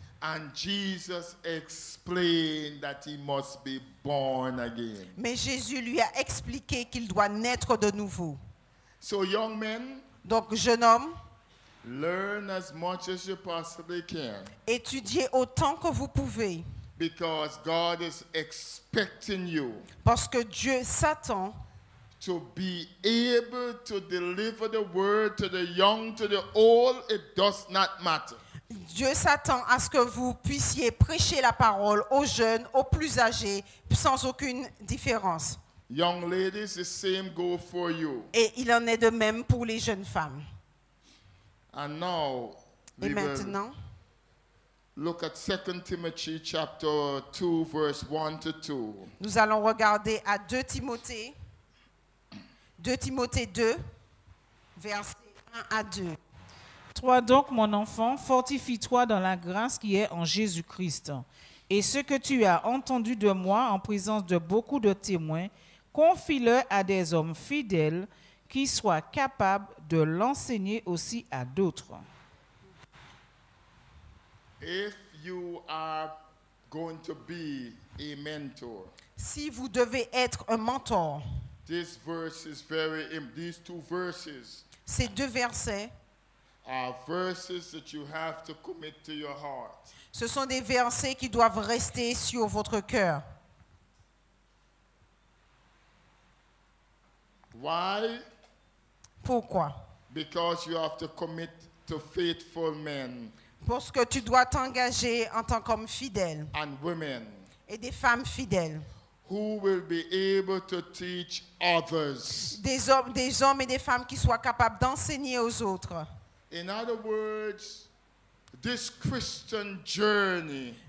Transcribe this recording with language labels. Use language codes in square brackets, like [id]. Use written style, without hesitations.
[en] And Jesus explained that he must be born again. [fr] Mais Jésus lui a expliqué qu'il doit naître de nouveau. [en] So young men, [fr] donc jeune homme, [en] learn as much as you possibly can. [fr] Étudiez autant que vous pouvez. [en] Because God is expecting you. [fr] Parce que Dieu s'attend. [en] To be able to deliver the word to the young, to the old, it does not matter. [fr] Dieu s'attend à ce que vous puissiez prêcher la parole aux jeunes, aux plus âgés, sans aucune différence. [en] Young ladies, the same go for you. [fr] Et il en est de même pour les jeunes femmes. [en] And now, [fr] et maintenant, [en] look at 2 Timothy chapter 2, verse 1 to 2. [fr] Nous allons regarder à 2 Timothée 2, versets 1 à 2. Toi donc, mon enfant, fortifie-toi dans la grâce qui est en Jésus-Christ. Et ce que tu as entendu de moi en présence de beaucoup de témoins, confie-le à des hommes fidèles qui soient capables de l'enseigner aussi à d'autres. [en] If you are going to be a mentor, [fr] si vous devez être un mentor, [en] this verse is very, these two verses, [fr] ces deux versets, [en] are verses that you have to commit to your heart. [fr] Ce sont des versets qui doivent rester sur votre cœur. [en] Why? [fr] Pourquoi? [en] Because you have to commit to faithful men. [fr] Parce que tu dois t'engager en tant qu'homme fidèle. [en] And women. [fr] Et des femmes fidèles. [en] Who will be able to teach others? [fr] Des hommes et des femmes qui soient capables d'enseigner aux autres. [en] In other words, this Christian journey.